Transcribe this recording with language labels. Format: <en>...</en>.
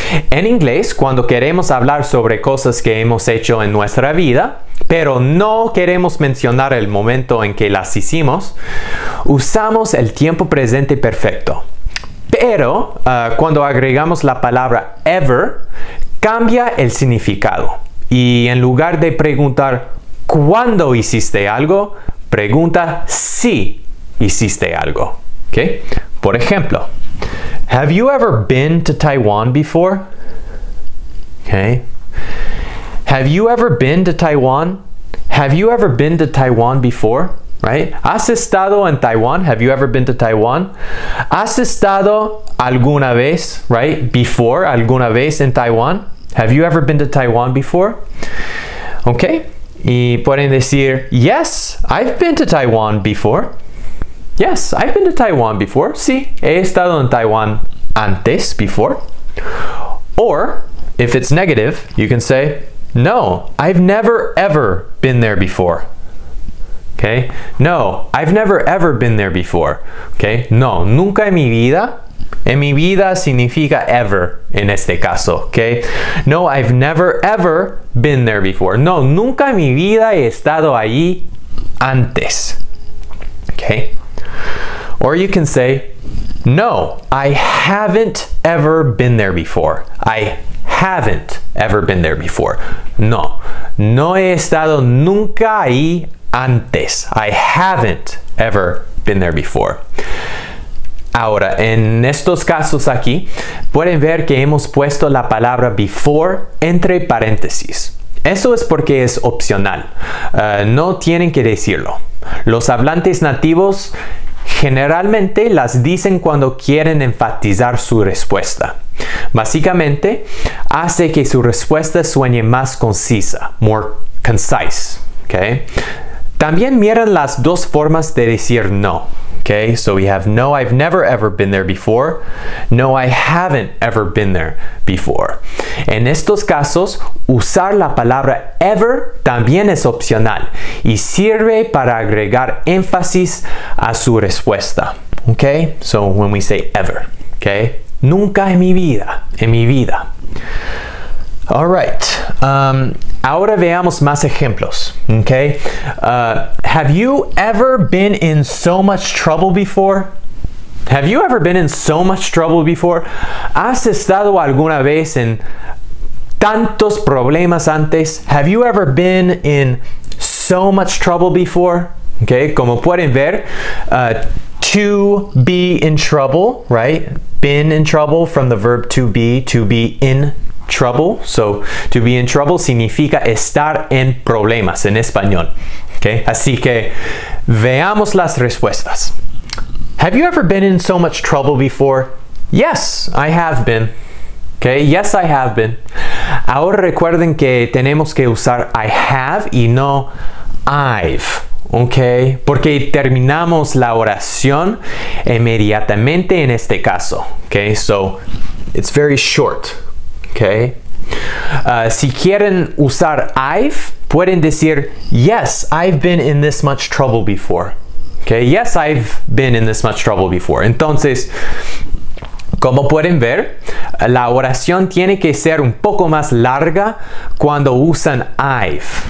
<es>En inglés, cuando queremos hablar sobre cosas que hemos hecho en nuestra vida, pero no queremos mencionar el momento en que las hicimos, usamos el tiempo presente perfecto. Pero cuando agregamos la palabra ever, cambia el significado. Y en lugar de preguntar ¿cuándo hiciste algo?, pregunta si hiciste algo, ¿ok? Por ejemplo,</es> <en>have you ever been to Taiwan before? Okay. Have you ever been to Taiwan? Have you ever been to Taiwan before? Right?</en> <es>¿Has estado en Taiwan?</es> <en>Have you ever been to Taiwan?</en> <es>¿Has estado alguna vez,</es> <en>right? Before,</en> <es>alguna vez en Taiwan?</es> <en>Have you ever been to Taiwan before? Okay.</en> <es>Y pueden decir,</es> <en>yes, I've been to Taiwan before. Yes, I've been to Taiwan before.</en> <es>Sí, he estado en Taiwan antes,</es> <en>before. Or, if it's negative, you can say, no, I've never ever been there before. Okay? No, I've never ever been there before. Okay?</en> <es>No, nunca en mi vida. En mi vida significa ever en este caso. Okay?</es> <en>No, I've never ever been there before.</en> <es>No, nunca en mi vida he estado allí antes.</es> <en>Okay? Or you can say, no, I haven't ever been there before. I haven't ever been there before. No, no he estado nunca ahí antes. I haven't ever been there before.</en> <es>Ahora, en estos casos aquí, pueden ver que hemos puesto la palabra before entre paréntesis. Eso es porque es opcional. No tienen que decirlo. Los hablantes nativos Generalmente las dicen cuando quieren enfatizar su respuesta. Básicamente, hace que su respuesta suene más concisa,</es> <en>more concise.</en> <es>Okay? También miran las dos formas de decir no.</es> <en>Okay, so we have no, I've never ever been there before. No, I haven't ever been there before.</en> <es>En estos casos, usar la palabra ever también es opcional y sirve para agregar énfasis a su respuesta.</es> <en>Okay, so when we say ever, okay,</en> <es>nunca en mi vida.</es> <en>All right.</en> <es>Ahora veamos más ejemplos, okay?</es> <en>Have you ever been in so much trouble before? Have you ever been in so much trouble before?</en> <es>¿Has estado alguna vez en tantos problemas antes?</es> <en>Have you ever been in so much trouble before? Okay,</en> <es>como pueden ver,</es> <en>to be in trouble, right? Been in trouble from the verb to be in trouble. So, to be in trouble</en> <es>significa estar en problemas en español. Okay? Así que veamos las respuestas.</es> <en>Have you ever been in so much trouble before? Yes, I have been. Okay? Yes, I have been.</en> <es>Ahora recuerden que tenemos que usar I have y no I've. Okay? Porque terminamos la oración inmediatamente en este caso.</es> <en>Okay? So, it's very short. Okay.</en> <es>Si quieren usar</es> <en>I've,</en> <es>pueden decir,</es> <en>yes, I've been in this much trouble before. Okay. Yes, I've been in this much trouble before.</en> <es>Entonces, como pueden ver, la oración tiene que ser un poco más larga cuando usan I've.</es>